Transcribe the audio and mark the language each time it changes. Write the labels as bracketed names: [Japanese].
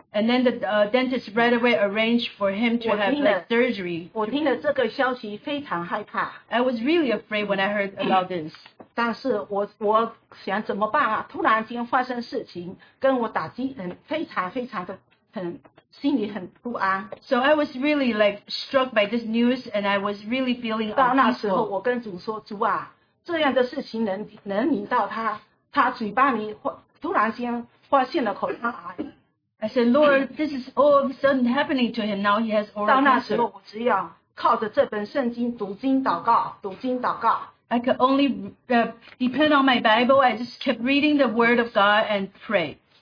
[English] And then the dentist right away arranged for him to have like surgery. [Chinese] 我听了这个消息非常害怕。 [English] I was really afraid when I heard about this. [Chinese] 但是我想怎么办啊？突然间发生事情，跟我打击很非常非常的很心里很不安。 [English] So I was really like struck by this news, and I was really feeling uncomfortable. [Chinese] 到那时候，我跟主说：“主啊，这样的事情能引到他，他嘴巴里突然间发现了口腔癌。” [English] I said, Lord, this is all of a sudden happening to him. Now he has oral cancer. [Chinese] 到那时候，我只要靠着这本圣经读经祷告，读经祷告。 [English] I could only depend on my Bible. I just kept reading the Word of God and pray.